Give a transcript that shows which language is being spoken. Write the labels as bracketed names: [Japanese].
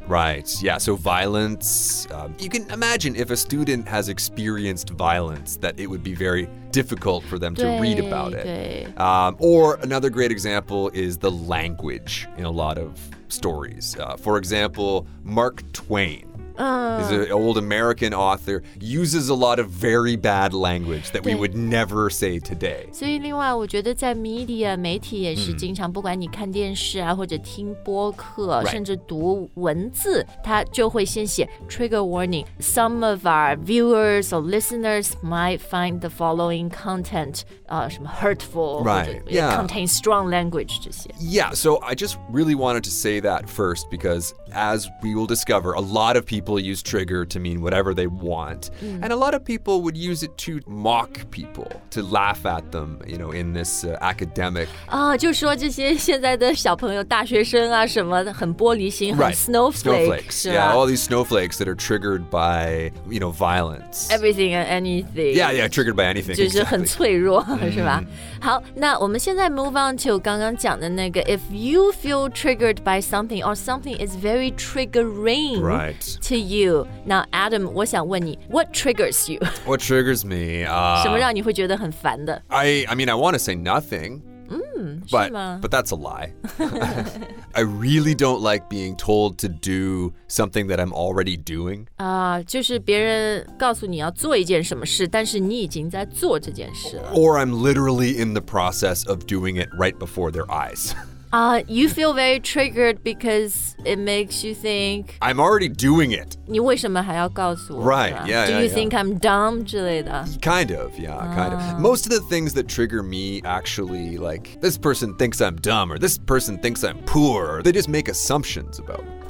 [English] Right, yeah, so violence、you can imagine if a student has experienced violence that it would be very difficult for them to read about it、or another great example is the language in a lot of stories、for example, Mark Twain、is an old American author uses a lot of very bad language that we would never say today. [Chinese] 所以另外我觉得在 media 媒体也是经常、不管你看电视啊或者听播客、 [English] right. [Chinese] 甚至读文字他就会先写 trigger warning. [English] Some of our viewers or listeners might find the following content、 [Chinese] 什么 [English] hurtful. Right. Yeah. Contain strong language. [Chinese] 这些 [English] Yeah. So I just really wanted to say that first because as we will discover a lot of people use trigger to mean whatever they want、and a lot of people would use it to mock people to laugh at them you know in this、academic [Chinese] 啊、就说这些现在的小朋友大学生啊什么很玻璃心、 [English] right. [Chinese] 很 snowflakes [English] yeah all these snowflakes that are triggered by you know violence everything and anything yeah triggered by anything [Chinese] 就是很脆弱、 [English] exactly. [Chinese] 是吧、好那我们现在 [English] move on to [Chinese] 刚刚讲的那个 [English] if you feel triggered by something or something is very triggering right To you. Now, Adam, [Chinese] 我想问你 [English] what triggers you? What triggers me?、 [Chinese] 什么让你会觉得很烦的 [English] I mean, I want to say nothing. Mm. But that's a lie. I really don't like being told to do something that I'm already doing. [Chinese] 就是别人告诉你要做一件什么事，但是你已经在做这件事了。 [English] Or I'm literally in the process of doing it right before their eyes. You feel very triggered because it makes you think... I'm already doing it. [Chinese] 你为什么还要告诉我？ [English] Right, yeah, Do you think I'm dumb [Chinese] 之类的？ [English] Kind of, yeah, kind of. Most of the things that trigger me actually, like, this person thinks I'm dumb, or this person thinks I'm poor, or they just make assumptions about me.